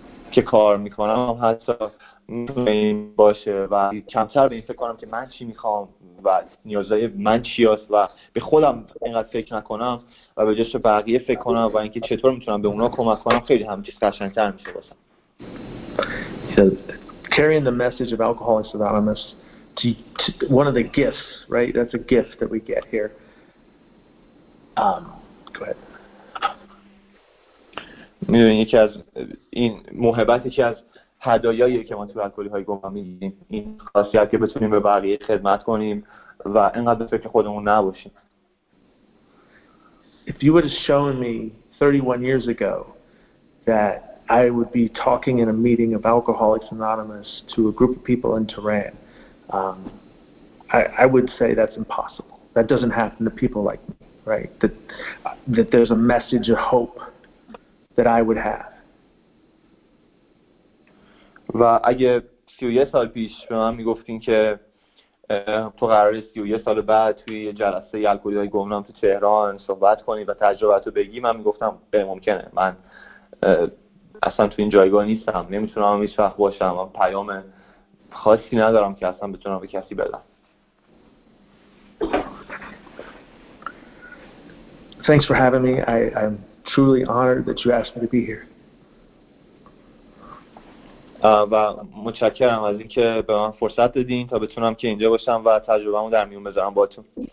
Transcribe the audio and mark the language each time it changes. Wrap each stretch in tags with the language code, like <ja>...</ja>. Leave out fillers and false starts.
<fa>که کار میکنم هم حتی میتونه این باشه و کمتر به این فکر کنم که من چی میخوام و نیازهای من چی هست و به خودم اینقدر فکر نکنم و به جاش بقیه فکر کنم و اینکه چطور میتونم به اونا کمک کنم، خیلی همه چیز قشنگتر میشه باشم.</fa> <en>Carrying the message of Alcoholics Anonymous to one of the gifts, right? That's a gift that we get here. Go ahead.</en> <fa>میدونی یکی از این محبت، یکی از هدایایی که ما توی الکلی های گمان میگیم، این خاصیت که بتونیم به بقیه خدمت کنیم و اینقدر به فکر خودمون نباشیم.</fa> <en>If you would have shown me 31 years ago that I would be talking in a meeting of Alcoholics Anonymous to a group of people in Tehran, I would say that's impossible. That doesn't happen to people like me, right? That there's a message of hope that I would have.</en> <fa>و اگه 31 سال پیش به من میگفتین که تو قراره 31 سال بعد توی یه جلسه الکلی های گمنام تو تهران صحبت کنی و تجربتو بگی، من میگفتم غیر ممکنه، من اصلا تو این جایگاه نیستم، نمیتونم هم هیچ وقت باشم و پیام خاصی ندارم که اصلا بتونم به کسی بدم.</fa> <en>Thanks for having me. I'm truly honored that you asked me to be here.</en> <fa>و متشکرم از این که به من فرصت دادین تا بتونم که اینجا باشم و تجربه‌مو در میون بذارم باهاتون.</fa>